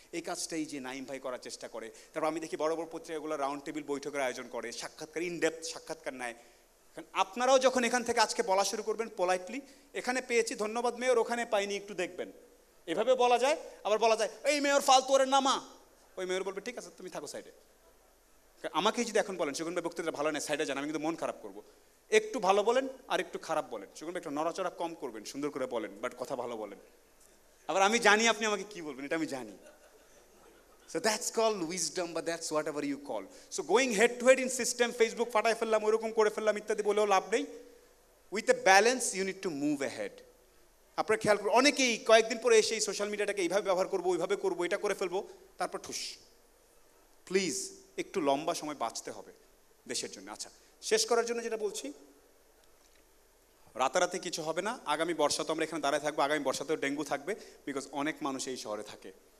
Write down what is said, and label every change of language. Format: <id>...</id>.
<bn>এই কাজটাই যে নাইম ভাই করার চেষ্টা করে, তারপর আমি দেখি বড় বড় পত্রিকাগুলো রাউন্ড টেবিল বৈঠকের আয়োজন করে, সাক্ষাৎকার, ইনডেপথ সাক্ষাৎকার নেয়, কারণ আপনারাও যখন এখান থেকে আজকে বলা শুরু করবেন পোলাইটলি, এখানে পেয়েছি ধন্যবাদ মেয়র, ওখানে পাইনি একটু দেখবেন, এভাবে বলা যায়, আবার বলা যায় এই মেয়র ফালতুয়ারের নামা, ওই মেয়র বলবে ঠিক আছে তুমি থাকো সাইডে, আমাকেই যদি এখন বলেন সেগুন ভাই বক্তৃতা ভালো নেই সাইডে যান, আমি কিন্তু মন খারাপ করবো, একটু ভালো বলেন আর একটু খারাপ বলেন, সেগুন একটু নড়াচড়া কম করবেন, সুন্দর করে বলেন বাট কথা ভালো বলেন, আবার আমি জানি আপনি আমাকে কী বলবেন, এটা আমি জানি,</bn> <en>So that's called wisdom, but that's whatever you call. So going head to head in system, Facebook,</en> <bn>phatai fellam, orokom kore fellam, ittadi boleo labh nei.</bn> <en>With a balance, you need to move ahead.</en> <bn>আপনার খেয়াল করুন, অনেকেই কয়েকদিন পরে এসে এই social মিডিয়াটাকে এইভাবে ব্যবহার করবো, ওইভাবে করবো, এটা করে ফেলবো, তারপর ঠুস। প্লিজ একটু লম্বা সময় বাঁচতে হবে দেশের জন্য। আচ্ছা, শেষ করার জন্য যেটা বলছি, রাতারাতি কিছু হবে না, আগামী বর্ষাতে আমরা এখানে দাঁড়ায় থাকবো, আগামী বর্ষাতেও ডেঙ্গু থাকবে, বিকজ অনেক মানুষ এই শহরে থাকে।</bn>